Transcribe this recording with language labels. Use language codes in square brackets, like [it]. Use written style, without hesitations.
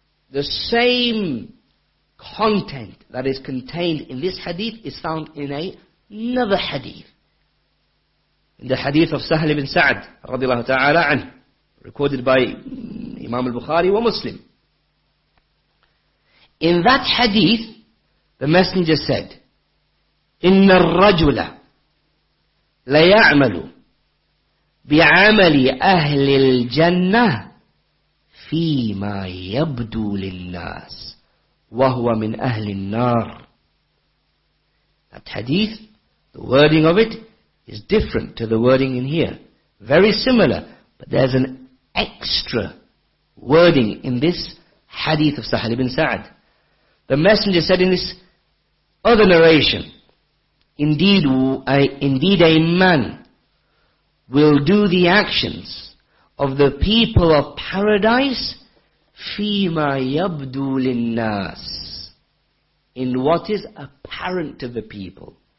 [en] The same content that is contained in this hadith is found in another hadith. In the hadith of Sahl ibn Sa'd, radiallahu ta'ala anhu, recorded by Imam al-Bukhari wa Muslim. In that hadith, the messenger said, [ar] إِنَّ الرَّجُلَ لَيَعْمَلُ بِعَمَلِ أَهْلِ الْجَنَّةِ فِي مَا يَبْدُو لِلنَّاسِ وَهُوَ مِنْ أَهْلِ النَّارِ. [en] That hadith, the wording of it, is different to the wording in here. Very similar, but there's an extra wording in this hadith of Sahal ibn Sa'd. The messenger said in this other narration, Indeed, a man will do the actions of the people of paradise, [ar] فِيمَا يَبْدُو لِلنَّاسِ, [en] in what is apparent to the people.